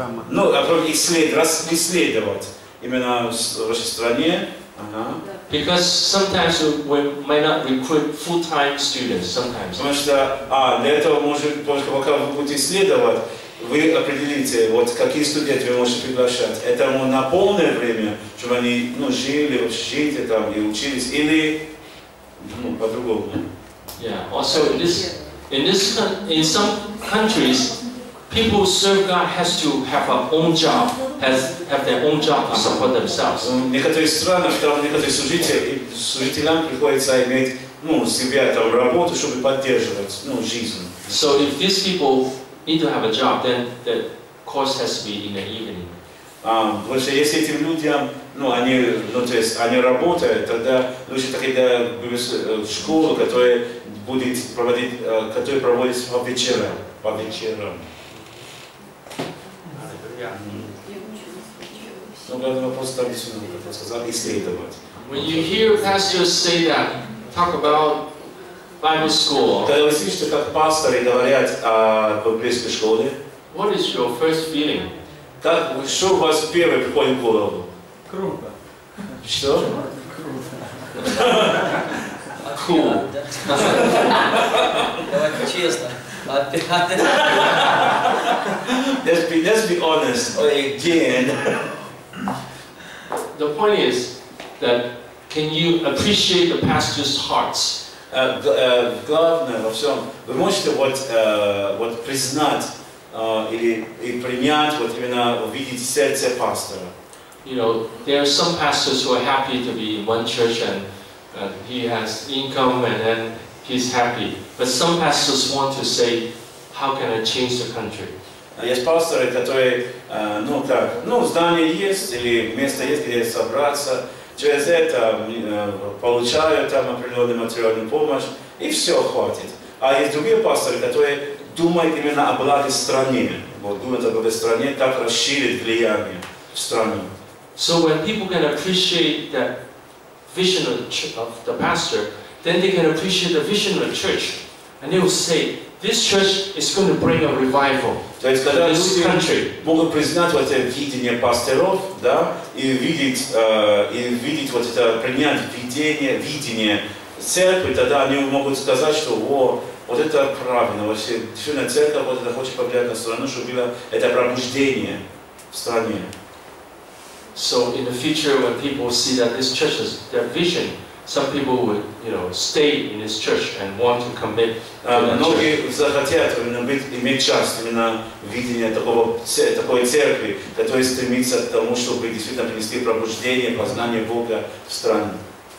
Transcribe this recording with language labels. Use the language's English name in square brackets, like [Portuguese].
[Russian] Ну, исследовать именно в вашей стране. [English] Because sometimes we might not recruit full-time students. Sometimes. [Russian] Потому что для этого может пока вы будете исследовать, вы определите вот какие студенты вы можете приглашать. Это на полное время, чтобы они жили там и учились или по-другому. [English] Yeah. Also, in some countries, people who serve God has to have their own job, have their own job to support themselves. [Russian] Некоторые страны, там некоторые служителям приходится иметь себя там работу, чтобы поддерживать жизнь. [English] So if these people need to have a job, then the course has to be in the evening. [Russian] Потому что если этим людям, они работают, тогда лучше тогда в школу, которая проводится по вечерам. [English] When you hear pastors say that, talk about Bible school. [Russian] Когда вы слышите, как пасторы говорят о библейской школе, [English] what is your first feeling? [Russian] Как что у вас первое приходит в голову? Круто. Что? Круто. [English] Cool. [Russian] Давай честно. [English] let's be honest again. The point is that can you appreciate the pastor's hearts? [Russian] Главное во всем вы можете вот признать или принять вот именно увидеть сердце пастора. [English] You know, there are some pastors who are happy to be in one church and he has income and then he's happy. But some pastors want to say, how can I change the country? [Russian] Есть пасторы, которые, здание есть, или место есть, где собраться. Через это получают там определенную материальную помощь, и все, хватит. А есть другие пасторы, которые думают именно о благе стране. Вот думают о благе стране, так расширить влияние в стране. [English] So when people can appreciate the vision of the pastor, then they can appreciate the vision of the church. And they will say, this church is going to bring a revival to this country. [Russian] То есть, когда люди могут признать вот это видение пасторов, да, и видеть вот это принять видение церкви, тогда они могут сказать, что вот это правильно, вообще, сегодня церковь вот это хочет повлиять на страну, чтобы было это пробуждение в стране. [English] So in the future, when people see that this church is their vision, some people would, you know, stay in this church and want to commit. [Russian] Многие захотят именно иметь часть именно видения такой церкви, которая стремится к тому, чтобы действительно принести пробуждение, познание Бога в страну.